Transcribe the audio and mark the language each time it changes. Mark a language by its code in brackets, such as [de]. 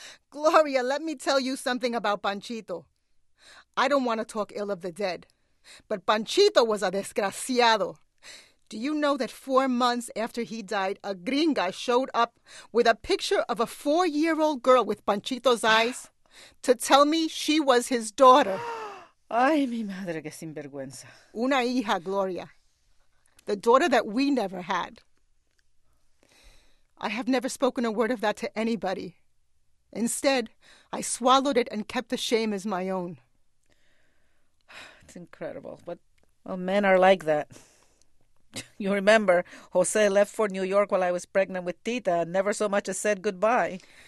[en] Gloria, let me tell you something about Panchito. I don't want to talk ill of the dead, but Panchito was a desgraciado. Do you know that 4 months after he died, a gringa showed up with a picture of a 4-year-old girl with Panchito's eyes to tell me she was his daughter? [es] Ay, mi madre, que sinvergüenza. Una hija, Gloria. [en] The daughter that we never had. I have never spoken a word of that to anybody. Instead, I swallowed it and kept the shame as my own. It's incredible, but well, men are like that. You remember, Jose left for New York while I was pregnant with Tita and never so much as said goodbye.